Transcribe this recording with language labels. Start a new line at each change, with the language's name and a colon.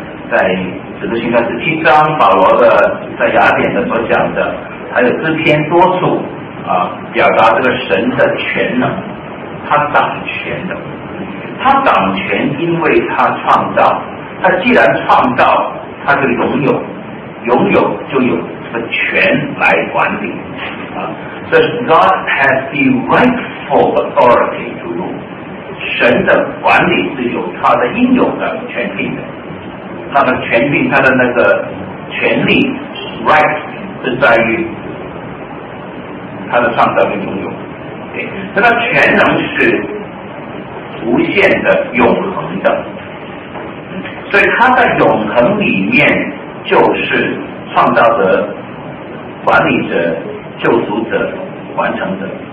Chinese: 在使徒行传十七章，保罗的在雅典的所讲的，还有诗篇多处啊，表达这个神的权能，他掌权的，他掌权，因为他创造，他既然创造，他就拥有，拥有就有这个权来管理啊。
English: So God has the rightful authority to rule.
Chinese: 神的管理是有他的应有的权柄的。他的权柄，他的那个权力 ，right 是在于他的创造跟拥有。那他全能是无限的、永恒的，所以他在永恒里面就是创造者、管理者、救赎者、完成者。